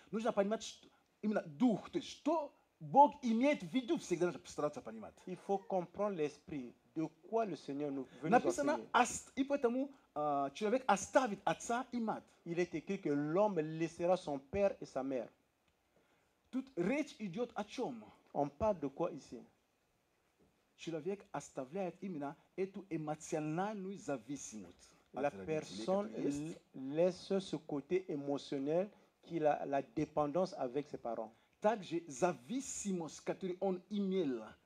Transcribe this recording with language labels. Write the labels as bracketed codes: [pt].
[fr] Nous n'avons pas de mettre le Dieu. Il faut comprendre l'esprit. De quoi le Seigneur nous veut nous enseigner. Il est écrit que l'homme laissera son père et sa mère. Toute [ru] речь идет о чем? [fr] On parle de quoi ici? [ru] Человек оставляет именно эту эмоциональную зависимость. [fr] La personne laisse ce côté émotionnel qu'il a la dépendance avec ses parents. [ru] Также зависимость, которую он имел